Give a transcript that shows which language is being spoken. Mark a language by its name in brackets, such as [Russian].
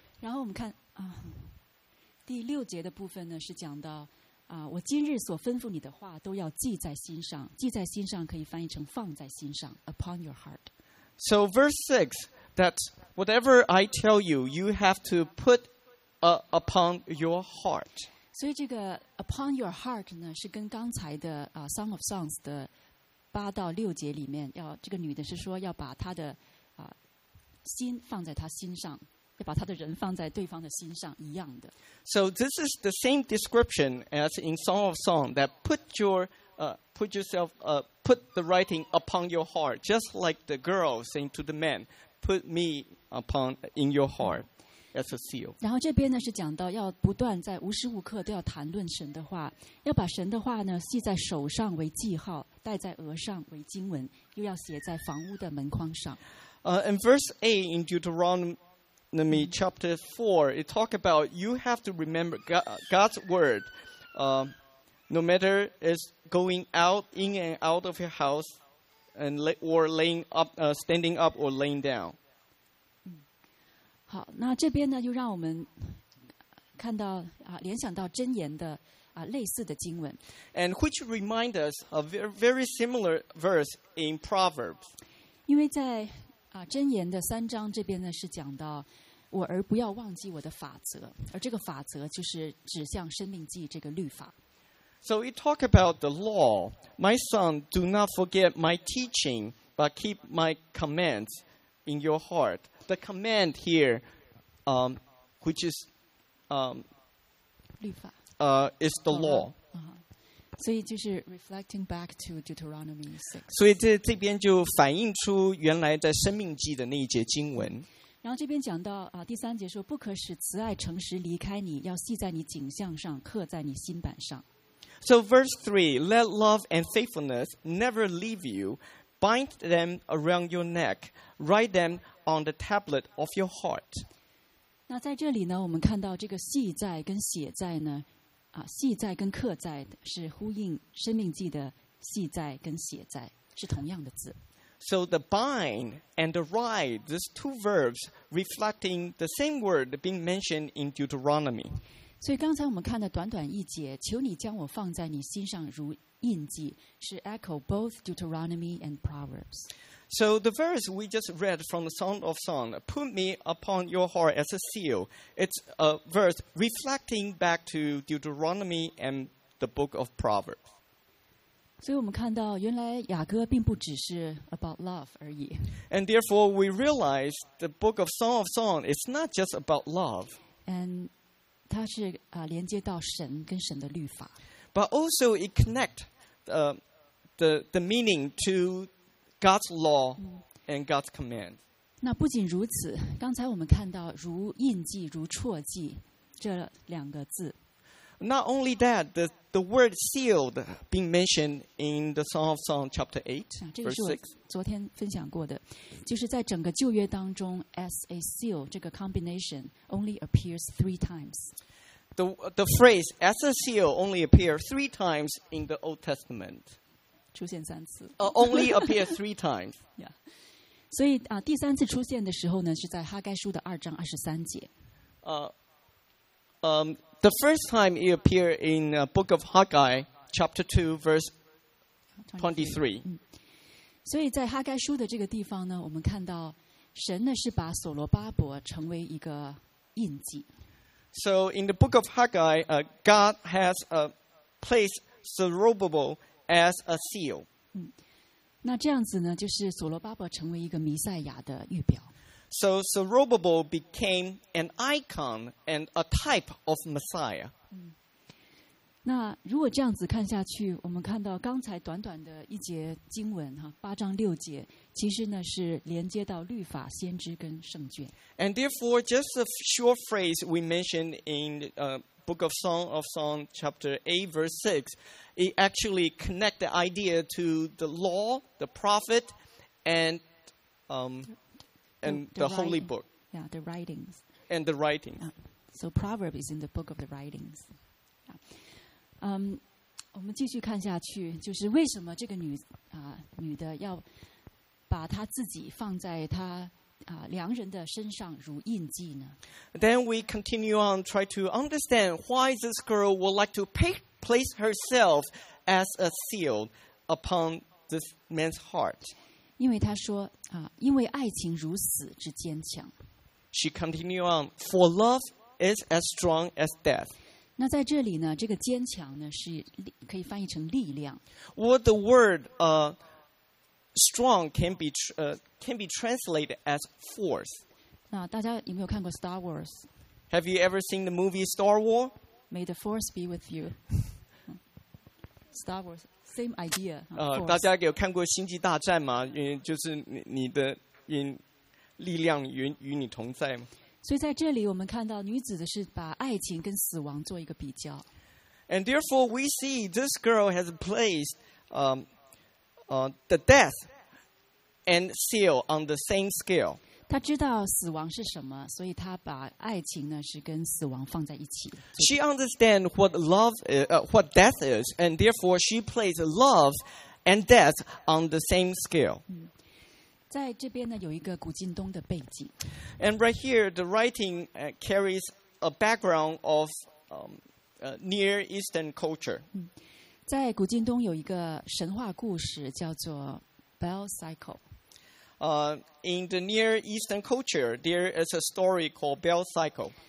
[Chinese] 然后我们看第六节的部分呢，是讲到我今日所吩咐你的话都要记在心上。记在心上可以翻译成放在心上 ， [English] upon your heart. So verse 6, that whatever I tell you, you have to put upon your heart. [Chinese] 所以这个 [English] upon your heart [Chinese] 呢，是跟刚才的Song of Songs 的。八到六节里面要这个女的是说要把她的心放在她心上要把她的人放在对方的心上一样的 [English] So this is the same description as in Song of Song that put the writing upon your heart just like the girl saying to the man put me upon in your heart as a seal [Chinese] 然后这边呢是讲到要不断在无时无刻都要谈论神的话要把神的话呢系在手上为记号戴在额上为经文，又要写在房屋的门框上。 [English] In verse 8 in Deuteronomy chapter 4, it talks about you have to remember God's word. No matter it's going out in and out of your house, and or laying up, standing up or laying down. [Chinese] 好，那这边呢，又让我们看到联想到箴言的。类似的经文 [English] and which remind us a very, very similar verse in Proverbs. [Chinese] 因为在箴言的三章这边呢是讲到我儿不要忘记我的法则而这个法则就是指向申命记这个律法 [English] So it talks about the law. My son, do not forget my teaching, but keep my commands in your heart. The command here, which is, [Chinese] 律法 [English] is the law. So it is reflecting back to Deuteronomy 6. So it [Chinese] 这边就反映出原来在申命记的那一节经文。然后这边讲到第三节说不可使慈爱诚实离开你要系在你颈项上刻在你心板上。 [English] So verse 3, let love and faithfulness never leave you. Bind them around your neck. Write them on the tablet of your heart. [Chinese] 那在这里呢我们看到这个系在跟写在呢系在跟刻在是呼应生命记的系在跟写在是同样的字 [English] So the bind and the write these two verbs reflecting the same word being mentioned in Deuteronomy [Chinese] 所以刚才我们看的短短一节求你将我放在你心上如印记是 [English] echo both Deuteronomy and Proverbs So the verse we just read from the Song of Song, put me upon your heart as a seal. It's a verse reflecting back to Deuteronomy and the book of Proverbs. [Chinese] 所以我们看到原来雅歌并不只是 [English] about love [Chinese] 而已。 [English] And therefore we realize the book of Song of Song is not just about love. [Chinese] And 它是连接到神跟神的律法。 [English] But also it connects the meaning to God's law and God's command. [Chinese] 那不仅如此，刚才我们看到如印记、如戳记这两个字。 [English] Not only that, the word sealed being mentioned in the Song of Songs chapter 8, verse 6. [Chinese] 昨天分享过的，就是在整个旧约当中 ， [English] as a seal [Chinese] 这个 [English] combination only appears three times. The phrase as a seal only appears three times in the Old Testament. [Chinese] 出现三次。 [English] Only appears three times. Yeah. [Chinese] 所以啊，第三次出现的时候呢，是在哈该书的二章二十三节。 [English] The first time it appeared in the book of Haggai, chapter 2, verse 23. [Chinese] 所以在哈该书的这个地方呢，我们看到神呢是把所罗巴伯成为一个印记。 [English] So in the book of Haggai, God has placed Zerubbabel as a seal. [Chinese] 那这样子呢，就是所罗巴伯成为一个弥赛亚的预表。 [English] So Zerubbabel became an icon and a type of Messiah. [Chinese] 那如果这样子看下去，我们看到刚才短短的一节经文哈，八章六节，其实呢是连接到律法、先知跟圣卷。 [English] And therefore, just a short phrase we mentioned in Book of Song of Song, chapter 8, verse 6, it actually connect the idea to the law, the prophet, and the holy book. Yeah, the writings. And the writings. So Proverbs is in the book of the writings. [Chinese] Yeah. 我们继续看下去，就是为什么这个女的要把她自己放在她良人的身上如印记呢？ [English] Then we continue on, try to understand why this girl would like to place herself as a seal upon this man's heart. [Chinese] 因为她说因为爱情如死之坚强。 [English] She continued on, for love is as strong as death. [Chinese] 那在这里呢，这个坚强呢是可以翻译成力量。 [English] What the word strong can be translated as force. [Chinese] 那大家有没有看过 Star Wars? [English] Have you ever seen the movie Star Wars? May the force be with you. Star Wars. Same idea. [Chinese] 大家有看过《星际大战》吗？就是你的力量与你同在吗？所以在这里，我们看到女子的是把爱情跟死亡做一个比较。 [English] And therefore, we see this girl has placed the death and seal on the same scale. [Chinese] 她知道死亡是什么，所以她把爱情呢是跟死亡放在一起。 [English] She understands what love, what death is, and therefore she places love and death on the same scale. [Chinese] 在这边呢有一个古今东的背景。 [English] And right here, the writing carries a background of Near Eastern culture. [Chinese] 在古今东有一个神话故事叫做 Bell Cycle. [English] In the Near Eastern culture, there is a story called Bell Cycle.